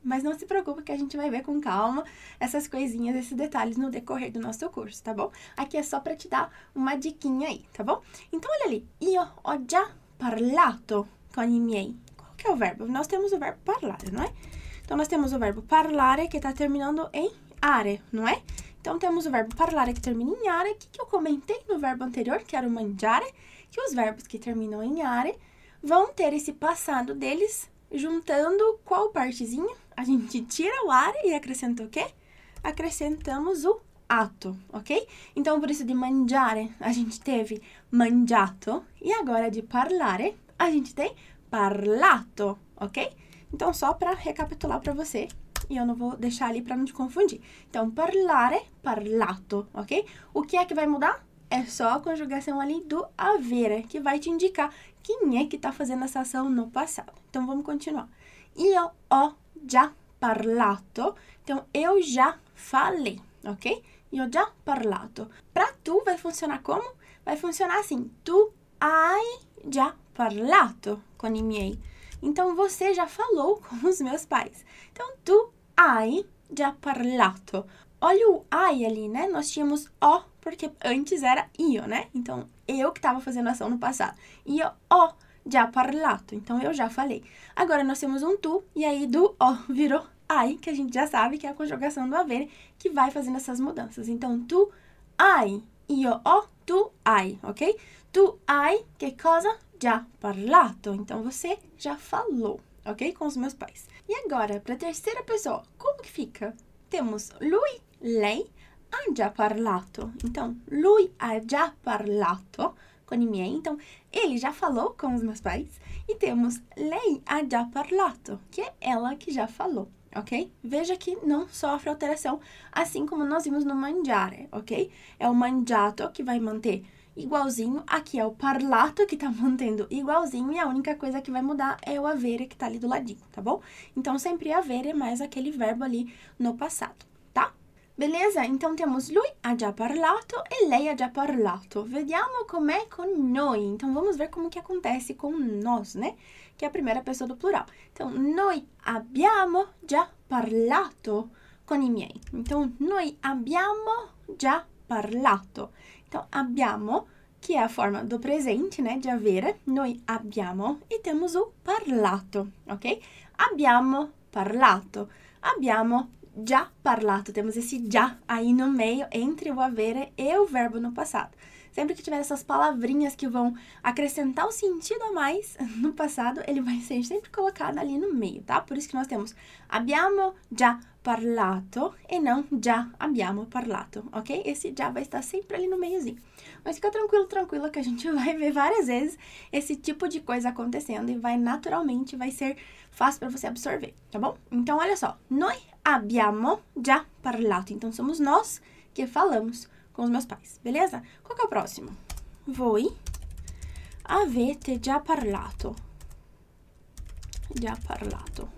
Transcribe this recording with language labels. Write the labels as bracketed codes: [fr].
[pt] Mas não se preocupe que a gente vai ver com calma essas coisinhas, esses detalhes no decorrer do nosso curso, tá bom? Aqui é só para te dar uma diquinha aí, tá bom? Então, olha ali. [it] Io ho già parlato con i miei. [pt] Que é o verbo? Nós temos o verbo parlare, não é? Então, nós temos o verbo parlare que está terminando em are, não é? Então, temos o verbo parlare que termina em are, que eu comentei no verbo anterior, que era o mangiare, que os verbos que terminam em are vão ter esse passado deles juntando qual partezinha? A gente tira o are e acrescenta o quê? Acrescentamos o ato, ok? Então, por isso de mangiare a gente teve mangiato e agora de parlare a gente tem parlato, ok? Então, só para recapitular para você, e eu não vou deixar ali para não te confundir. Então, parlare, parlato, ok? O que é que vai mudar? é só a conjugação ali do haver, que vai te indicar quem é que está fazendo essa ação no passado. Então, vamos continuar. [it] Io ho già parlato. [pt] Então, eu já falei, ok? [it] Io ho già parlato. [pt] Para tu, vai funcionar como? Vai funcionar assim. [it] Tu hai già parlato con i miei. [pt] Então, você já falou com os meus pais. [it] Então, tu hai già parlato. [pt] Olha o I ali, né? Nós tínhamos O, porque antes era io, né? Então, eu que estava fazendo ação no passado. E o [it] già parlato. [pt] Então, eu já falei. Agora, nós temos um tu, e aí do O virou I, que a gente já sabe que é a conjugação do avere, que vai fazendo essas mudanças. Então, [it] tu hai. Io ho, tu hai, [pt] ok? [it] Tu hai che cosa? Già parlato. [pt] Então, você já falou, ok? Com os meus pais. E agora, para a terceira pessoa, como que fica? [it] Temos lui. Lei ha già parlato. Então, lui ha già parlato con i miei. [pt] Então, ele já falou com os meus pais. E temos [it] lei ha già parlato, [pt] que é ela que já falou, ok? Veja que não sofre alteração, assim como nós vimos no mangiare, ok? É o mangiato que vai manter igualzinho. Aqui é o parlato que tá mantendo igualzinho. E a única coisa que vai mudar é o avere que tá ali do ladinho, tá bom? Então, sempre avere mais aquele verbo ali no passado. Beleza? [it] Então temos lui ha già parlato e lei ha già parlato. Vediamo com'è con noi. [pt] Então vamos ver como que acontece com nós, né? Che è a primeira pessoa do plural. [it] Então, noi abbiamo già parlato con i miei. Então, noi abbiamo già parlato. [pt] Então, abbiamo, che è a forma do presente, né? Di avere. Noi abbiamo e temos o parlato, ok? [it] Abbiamo parlato. Abbiamo già parlato, [pt] temos esse già aí no meio entre o avere e o verbo no passado. Sempre que tiver essas palavrinhas que vão acrescentar o sentido a mais no passado, ele vai ser sempre colocado ali no meio, tá? Por isso que nós temos [it] abbiamo già parlato [pt] e não [it] già abbiamo parlato, [pt] ok? Esse già vai estar sempre ali no meiozinho. Mas fica tranquilo, tranquila que a gente vai ver várias vezes esse tipo de coisa acontecendo e vai naturalmente, vai ser fácil para você absorver, tá bom? Então, olha só. [it] Noi abbiamo già parlato. [pt] Então, somos nós que falamos com os meus pais, beleza? Qual que é o próximo? [it] Voi avete già parlato. Già parlato.